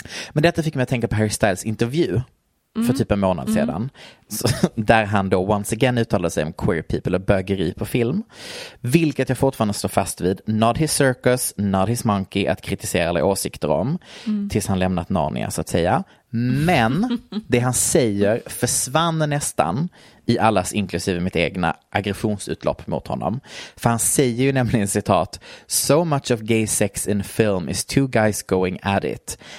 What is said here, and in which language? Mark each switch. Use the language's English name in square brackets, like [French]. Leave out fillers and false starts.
[Swedish] Men detta fick mig att tänka på Harry Styles intervju för typ en månad sedan. Så, där han då [English] once again [Swedish] uttalade sig om [English] queer people [Swedish] och bögeri på film. Vilket jag fortfarande står fast vid. [English] Not his circus, not his monkey [Swedish] att kritisera eller åsikter om. Mm. Tills han lämnat Narnia så att säga. Men det han säger försvann nästan i allas, inklusive mitt egna, aggressionsutlopp mot honom. För han säger ju nämligen, citat, [English] "So much of gay sex in film is two guys going at it.